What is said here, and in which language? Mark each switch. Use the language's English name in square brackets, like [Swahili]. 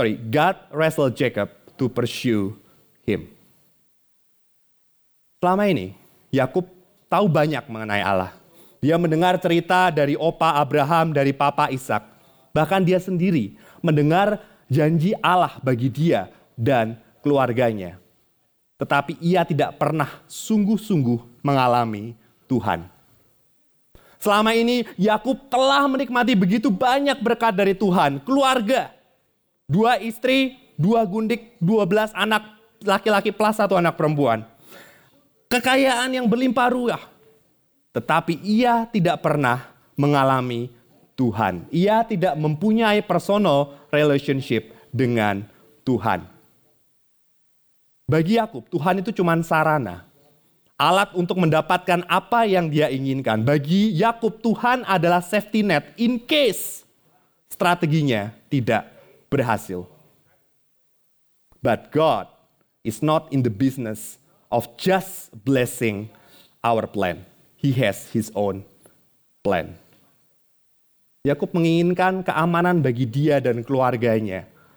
[English] God wrestled Jacob to pursue him. [Indonesian] Selama ini, Yakub tahu banyak mengenai Allah. Dia mendengar cerita dari opa Abraham, dari papa Ishak. Bahkan dia sendiri mendengar janji Allah bagi dia dan keluarganya. Tetapi ia tidak pernah sungguh-sungguh mengalami Tuhan. Selama ini Yakub telah menikmati begitu banyak berkat dari Tuhan. Keluarga, 2 istri, 2 gundik, 12 anak laki-laki plus 1 anak perempuan. Kekayaan yang berlimpah ruah. Tetapi ia tidak pernah mengalami Tuhan. Ia tidak mempunyai [English] personal relationship [Indonesian] dengan Tuhan. Bagi Yakub, Tuhan itu cuma sarana, alat untuk mendapatkan apa yang dia inginkan. Bagi Yakub, Tuhan adalah [English] safety net in case [Indonesian] strateginya tidak berhasil. [English] But God is not in the business of just blessing our plan. He has his own plan. [Indonesian] Yakub menginginkan keamanan bagi dia dan keluarganya.